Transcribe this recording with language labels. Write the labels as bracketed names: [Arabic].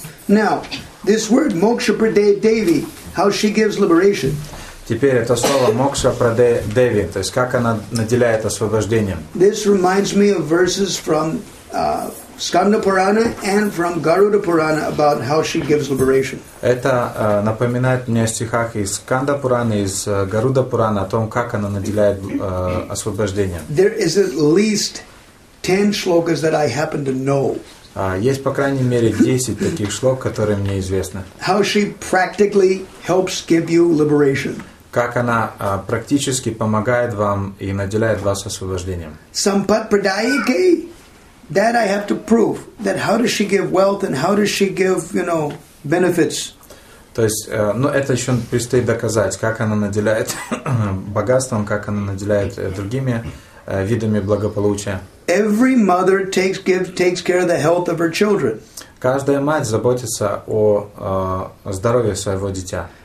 [English] Now, this word Moksha Pradeya Devi, how she gives liberation. [Russian] Теперь это слово Мокша Праде Деви, то есть как она наделяет освобождением. [English] This reminds me of verses from Skanda Purana and from Garuda Purana about how she gives liberation. [Russian] Это напоминает мне о стихах из Скандо Пурана и из Гаруда Пурана о том, как она наделяет освобождением. [English] There is at least 10 shlokas that I happen to know. [Russian] Есть по крайней мере 10 таких шлок, которые мне известны. [English] How she practically helps give you liberation. [Russian] Как она практически помогает вам и наделяет вас освобождением. [Sanskrit] Sampat pradayike, [English] that I have to prove. That how does she give wealth and how does she give, you know, benefits? [Russian] То есть, ну это еще предстоит доказать, как она наделяет богатством, как она наделяет другими видами благополучия. [English] Every mother takes care of the health of her children. [Russian] Каждая мать заботится о здоровье своего дитя.